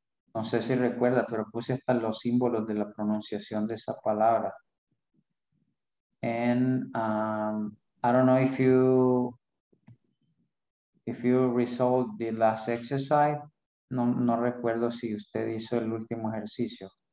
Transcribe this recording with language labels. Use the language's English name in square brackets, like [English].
[Spanish] No sé si recuerda, pero puse hasta los símbolos de la pronunciación de esa palabra. [English] And I don't know if you resolved the last exercise. [Spanish] No recuerdo si usted hizo el último ejercicio.